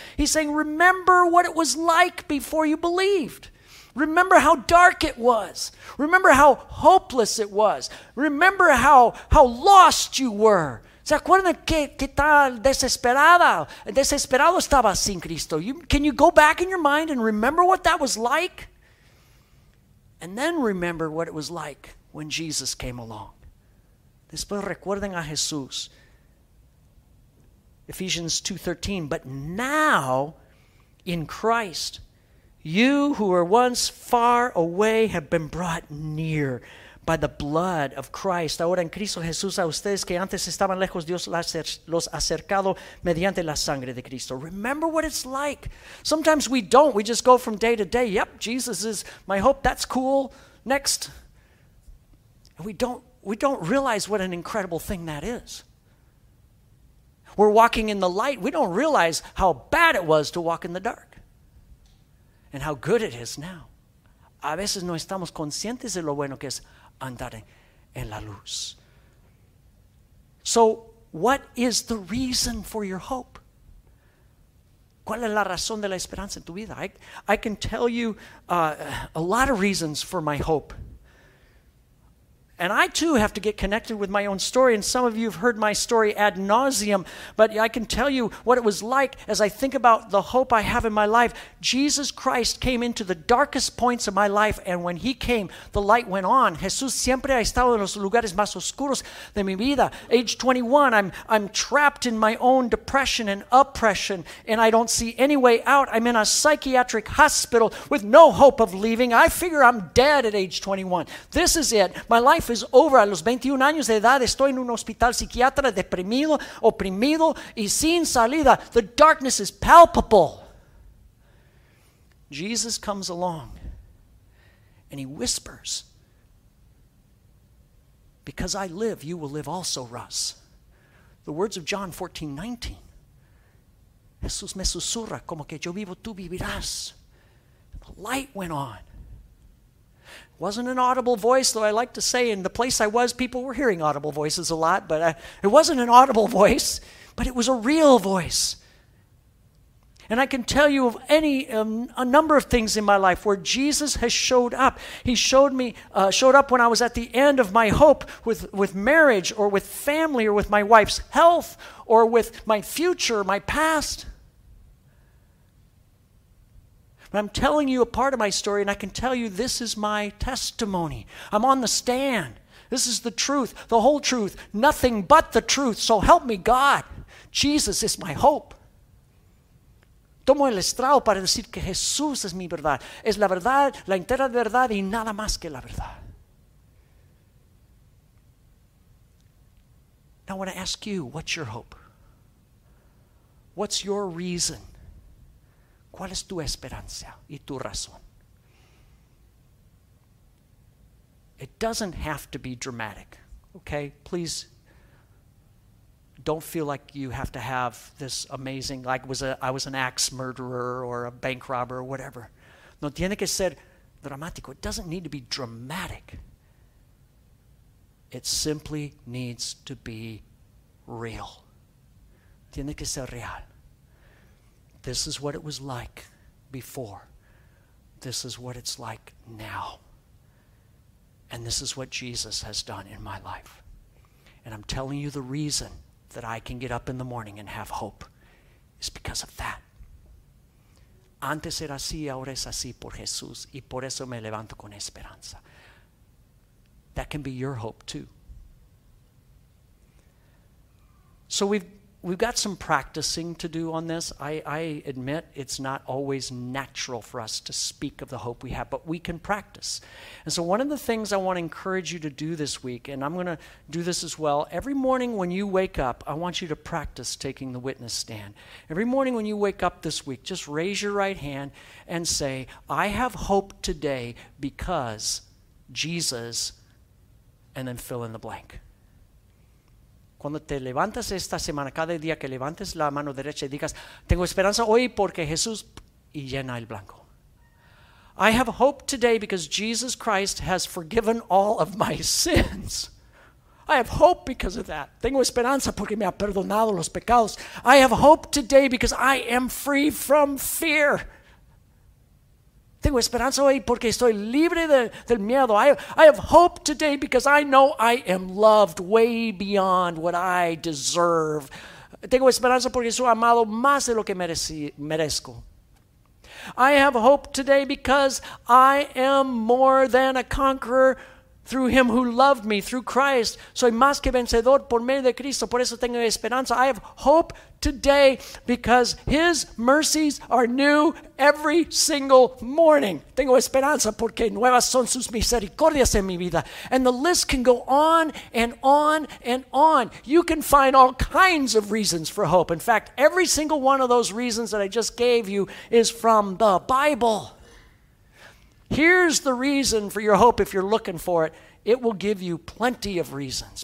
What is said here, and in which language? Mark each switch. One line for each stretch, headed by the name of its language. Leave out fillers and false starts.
English: He's saying, remember what it was like before you believed. Remember how dark it was. Remember how hopeless it was. Remember how lost you were.
Spanish: ¿Se acuerdan qué tal desesperado estaba sin Cristo?
English: Can you go back in your mind and remember what that was like? And then remember what it was like when Jesus came along.
Spanish: Después recuerden a Jesús.
English: Ephesians 2:13, but now in Christ, you who were once far away have been brought near by the blood of Christ.
Spanish: Ahora en Cristo Jesús a ustedes que antes estaban lejos, Dios los ha acercado mediante la sangre de Cristo.
English: Remember what it's like. Sometimes we don't. We just go from day to day. Yep, Jesus is my hope. That's cool. Next. And we don't realize what an incredible thing that is. We're walking in the light. We don't realize how bad it was to walk in the dark. And how good it is now.
Spanish: A veces no estamos conscientes de lo bueno que es andar en la luz.
English: So, what is the reason for your hope?
Spanish: ¿Cuál es la razón de la esperanza en tu vida?
English: I can tell you a lot of reasons for my hope. And I too have to get connected with my own story. And some of you have heard my story ad nauseum, but I can tell you what it was like as I think about the hope I have in my life. Jesus Christ came into the darkest points of my life. And when he came, the light went on.
Spanish: Jesús siempre ha estado en los lugares más oscuros de mi vida.
English: Age 21, I'm trapped in my own depression and oppression, and I don't see any way out. I'm in a psychiatric hospital with no hope of leaving. I figure I'm dead at age 21. This is it. My life is over.
Spanish: A los 21 años de edad estoy en un hospital psiquiátrico, deprimido, oprimido y sin salida.
English: The darkness is palpable. Jesus comes along and he whispers, "Because I live, you will live also, Russ." The words of John 14:19.
Spanish: Jesús me susurra, como que yo vivo, tú vivirás.
English: The light went on. Wasn't an audible voice, though I like to say in the place I was, people were hearing audible voices a lot, but it wasn't an audible voice, but it was a real voice. And I can tell you of a number of things in my life where Jesus has showed up. He showed up when I was at the end of my hope with marriage or with family or with my wife's health or with my future, my past. I'm telling you a part of my story, and I can tell you this is my testimony. I'm on the stand. This is the truth, the whole truth, nothing but the truth. So help me, God. Jesus is my hope.
Spanish: Tomo el estrado para decir que Jesús es mi verdad. Es la verdad, la entera verdad, y nada más que la verdad.
English: Now I want to ask you, what's your hope? What's your reason?
Spanish: ¿Cuál es tu esperanza y tu razón?
English: It doesn't have to be dramatic, okay? Please don't feel like you have to have this amazing, like I was an axe murderer or a bank robber or whatever.
Spanish: No tiene que ser dramático.
English: It doesn't need to be dramatic. It simply needs to be real.
Spanish: Tiene que ser real.
English: This is what it was like before. This is what it's like now. And this is what Jesus has done in my life. And I'm telling you the reason that I can get up in the morning and have hope is because of that.
Spanish: Antes era así, ahora es así por Jesús, y por eso me levanto con esperanza.
English: That can be your hope too. So we've got some practicing to do on this. I admit it's not always natural for us to speak of the hope we have, but we can practice. And so one of the things I want to encourage you to do this week, and I'm going to do this as well, every morning when you wake up, I want you to practice taking the witness stand. Every morning when you wake up this week, just raise your right hand and say, "I have hope today because Jesus," and then fill in the blank.
Spanish: Cuando te levantas esta semana, cada día que levantes la mano derecha y digas, "Tengo esperanza hoy porque Jesús," y llena el blanco.
English: "I have hope today because Jesus Christ has forgiven all of my sins." I have hope because of that.
Spanish: Tengo esperanza porque me ha perdonado los pecados.
English: "I have hope today because I am free from fear."
Spanish: Tengo esperanza hoy porque estoy libre del miedo.
English: I have hope today because I know I am loved way beyond what I deserve.
Spanish: Tengo esperanza porque soy amado más de lo que merezco.
English: "I have hope today because I am more than a conqueror through him who loved me," through Christ.
Spanish: Soy más que vencedor por medio de Cristo. Por eso tengo esperanza.
English: "I have hope today because his mercies are new every single morning."
Spanish: Tengo esperanza porque nuevas son sus misericordias en mi vida.
English: And the list can go on and on and on. You can find all kinds of reasons for hope. In fact, every single one of those reasons that I just gave you is from the Bible. Here's the reason for your hope if you're looking for it. It will give you plenty of reasons.